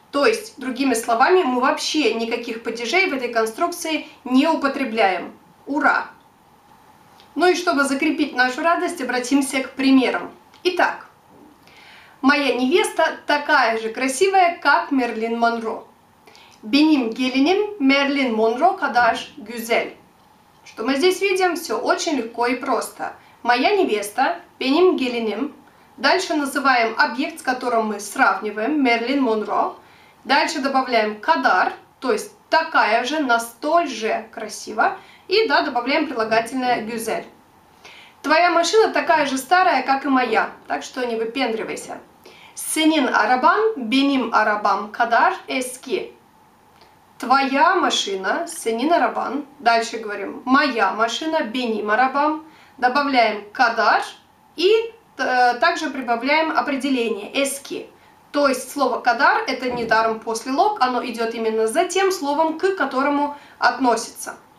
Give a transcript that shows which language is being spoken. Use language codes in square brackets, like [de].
[ru] То есть, другими словами, мы вообще никаких падежей в этой конструкции не употребляем. Ура! Ну и чтобы закрепить нашу радость, обратимся к примерам. Итак, моя невеста такая же красивая, как Мерлин Монро. [tr] Benim gelinim Merlin Monroe kadar güzel. [ru] Что мы здесь видим? Все очень легко и просто. Моя невеста, [tr] benim gelinim. [ru] Дальше называем объект, с которым мы сравниваем, Merlin Monroe. Дальше добавляем kadar, то есть такая же, настолько же красиво. И да, добавляем прилагательное güzel. Твоя машина такая же старая, как и моя, так что не выпендривайся. [tr] Senin araban benim arabam kadar eski. [ru] Твоя машина, [tr] сенин арабан. [ru] Дальше говорим, моя машина, [tr] беним арабам. [ru] Добавляем кадар и также прибавляем определение, эски. То есть слово кадар, это не даром послелог, оно идет именно за тем словом, к которому относится.